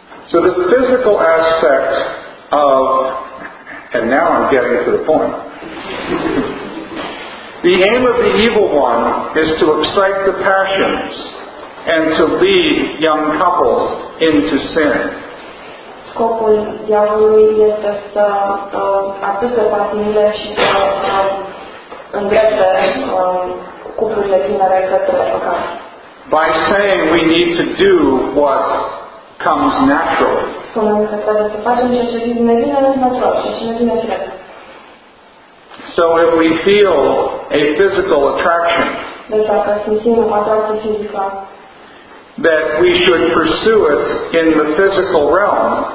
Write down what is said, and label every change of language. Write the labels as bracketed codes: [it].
[en] So the physical aspect of, and now I'm getting to the point. The aim of the evil one is to excite the passions and to lead young couples into sin. [ro] Scopul diavolului este să atâtă patinile și să îndrepte cuplurile tinere către păcat. [en] By saying we need to do what comes naturally. [ro] Spunem că trebuie să facem ceea ce vine natural și ce ne vine firesc. [en] So if we feel a physical attraction, [ro] deci dacă simțim o atracție fizică, [en] that we should pursue it in the physical realm,